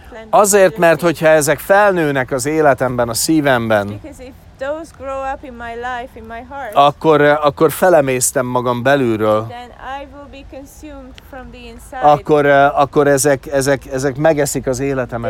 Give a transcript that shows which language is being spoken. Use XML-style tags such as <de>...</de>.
<hu>Azért, mert hogyha ezek felnőnek az életemben, a szívemben,</hu> <en>those grow up in my life, in my heart.</en> <hu>Akkor felemésztem magam belülről.</hu> <en>Then I will be consumed from the inside.</en> <hu>Akkor ezek megeszik az életemet</hu>